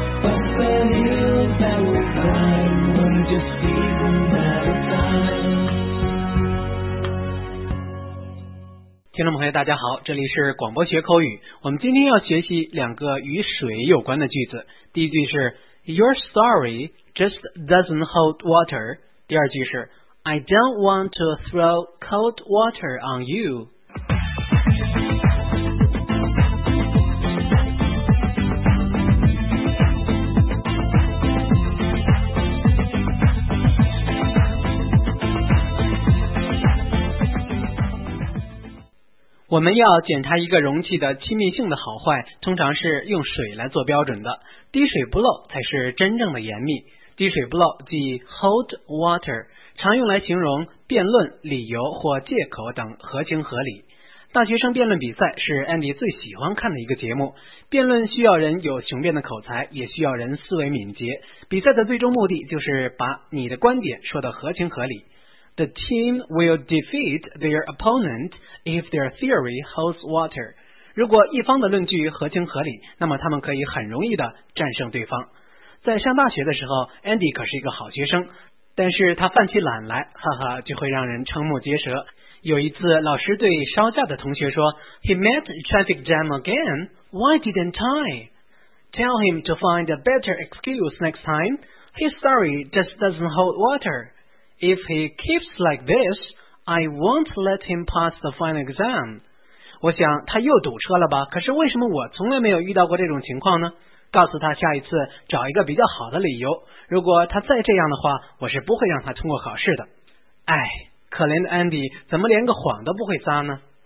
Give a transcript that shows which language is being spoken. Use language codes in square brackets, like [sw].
[en] But the hills that we climbed were just seasons at a time. [zh] 听众朋友大家好，这里是广播学口语，我们今天要学习两个与水有关的句子。第一句是 [en] Your story just doesn't hold water。 [zh] 第二句是 [en] I don't want to throw cold water on you。 [zh] 我们要检查一个容器的亲密性的好坏，通常是用水来做标准的。滴水不漏才是真正的严密。滴水不漏即 hold water， 常用来形容辩论、理由或借口等合情合理。大学生辩论比赛是 Andy 最喜欢看的一个节目。辩论需要人有雄辩的口才，也需要人思维敏捷。比赛的最终目的就是把你的观点说得合情合理。 [en] The team will defeat their opponent if their theory holds water. [zh] 如果一方的论据合情合理，那么他们可以很容易的战胜对方。在上大学的时候， Andy 可是一个好学生，但是他犯起懒来，哈哈，就会让人瞠目结舌。有一次，老师对稍假的同学说 , [en] He met traffic jam again. Why didn't I? Tell him to find a better excuse next time. His story just doesn't hold water. If he keeps like this, I won't let him pass the final exam. [zh] 我想他又堵车了吧？可是为什么我从来没有遇到过这种情况呢？告诉他下一次找一个比较好的理由。如果他再这样的话，我是不会让他通过考试的。哎，可怜的 Andy， 怎么连个谎都不会撒呢？